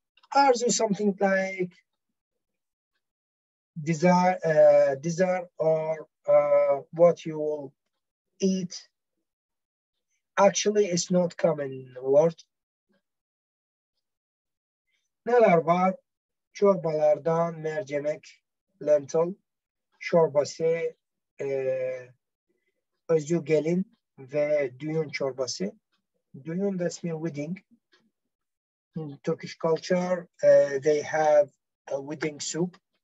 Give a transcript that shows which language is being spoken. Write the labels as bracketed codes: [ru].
[en] Arzu something like desire or what you will eat. Actually, it's not common word. [tr] Neler var? Çorbalardan mercimek, lentil çorbası, özü gelin ve düğün çorbası. [en] Düğün that's mean wedding. In Turkish culture, they have a wedding soup.